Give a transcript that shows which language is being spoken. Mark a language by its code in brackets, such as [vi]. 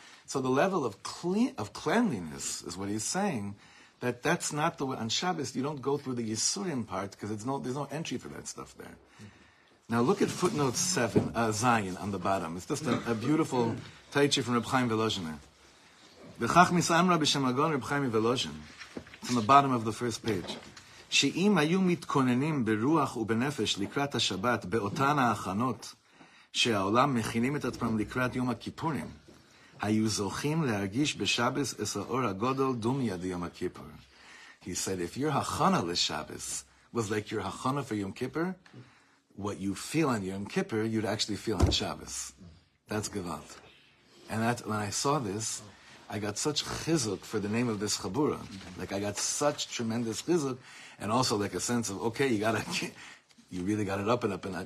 [en] So the level of cleanliness is what he's saying, that's not the way. On Shabbos, you don't go through the Yisurim part, because there's no entry for that stuff there. Now look at footnote 7, Zion, on the bottom. It's just a beautiful taichi from Reb Chaim Velozhiner. [he] V'chach misamra b'shem agon Reb Chaim Velozhin. It's on the bottom of the first page. שאם היו מתכוננים ברוח ובנפש לקראת השבת באותן ההכנות שהעולם מכינים את עצמם לקראת יום הכיפורים, היו זוכים להרגיש בשבס את האור הגודל דומי עד יום הכיפור. [en] He said, if your hachana לשבס was like your hachana for Yom Kippur, what you feel on Yom Kippur, you'd actually feel on Shabbos. That's gewalt. And that, when I saw this, I got such chizuk for the name of this chabura. Like, I got such tremendous chizuk. And also like a sense of, okay, you really got it up and up and up.